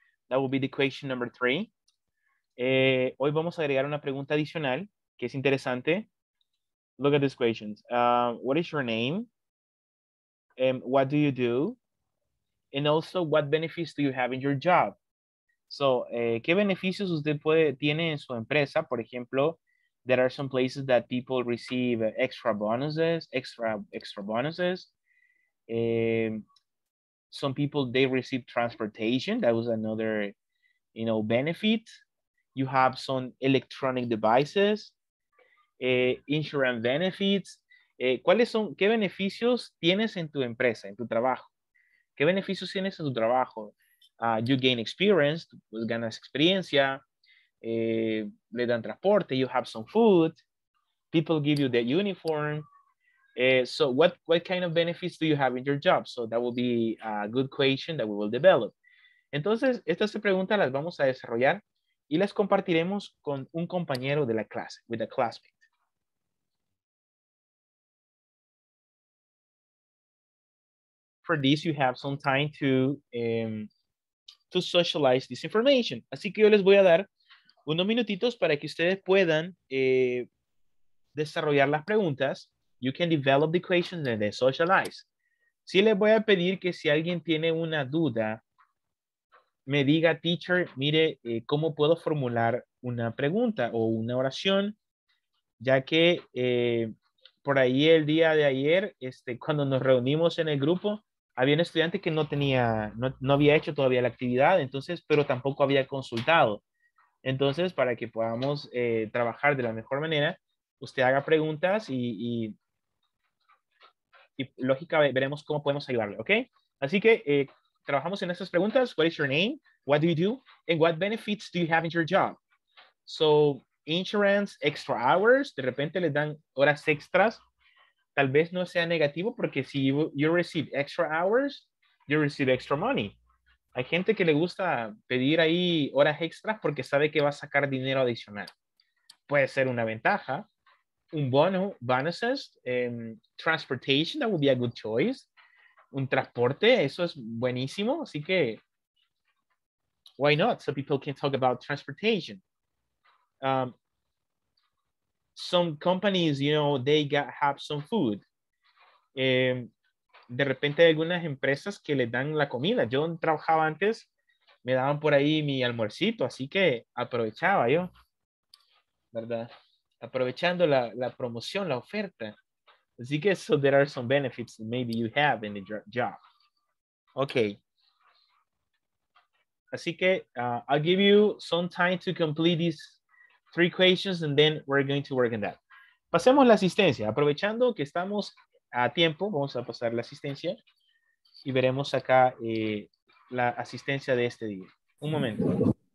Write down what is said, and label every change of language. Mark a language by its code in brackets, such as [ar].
[en] That will be the equation number 3. [es] Hoy vamos a agregar una pregunta adicional que es interesante. [en] look at these questions. What is your name? What do you do? And also, what benefits do you have in your job? [es] So, ¿qué beneficios usted tiene en su empresa? Por ejemplo, [en] there are some places that people receive extra bonuses. Some people, they receive transportation. That was another, you know, benefit. You have some electronic devices, insurance benefits. [es] ¿Cuáles son, qué beneficios tienes en tu empresa, en tu trabajo? ¿Qué beneficios tienes en tu trabajo? [en] You gain experience, [es] pues ganas experiencia, le dan transporte, [en] you have some food, people give you their uniform. So what kind of benefits do you have in your job? So that will be a good question that we will develop. [es] Entonces, estas preguntas las vamos a desarrollar y las compartiremos con un compañero de la clase, [en] with a classmate. For this, you have some time to socialize this information. [es] Así que yo les voy a dar unos minutitos para que ustedes puedan desarrollar las preguntas. [en] You can develop the questions and then socialize. [es] Sí les voy a pedir que si alguien tiene una duda, me diga, teacher, mire, ¿cómo puedo formular una pregunta o una oración? Ya que por ahí el día de ayer, cuando nos reunimos en el grupo, había un estudiante que no había hecho todavía la actividad, entonces, pero tampoco había consultado. Entonces, para que podamos trabajar de la mejor manera, usted haga preguntas y lógica, veremos cómo podemos ayudarle, ¿ok? Así que trabajamos en estas preguntas. [en] What is your name? What do you do? And what benefits do you have in your job? [es] So, [en] insurance, extra hours, [es] de repente les dan horas extras. Tal vez no sea negativo porque si [en] you receive extra hours, you receive extra money. [es] Hay gente que le gusta pedir ahí horas extras porque sabe que va a sacar dinero adicional. Puede ser una ventaja. Un bono, [en] bonuses, transportation, that would be a good choice. [es] Un transporte, eso es buenísimo. Así que, [en] why not? So people can talk about transportation. Some companies, you know, they have some food. [es] De repente hay algunas empresas que le dan la comida. Yo trabajaba antes, me daban por ahí mi almuercito, así que aprovechaba yo, ¿verdad? Aprovechando la promoción, la oferta. Así que, [en] so there are some benefits that maybe you have in the job. Okay. [es] Así que, [en] I'll give you some time to complete this. Three questions, and then we're going to work on that. [es] Pasemos la asistencia. Aprovechando que estamos a tiempo, vamos a pasar la asistencia. Y veremos acá la asistencia de este día. Un momento.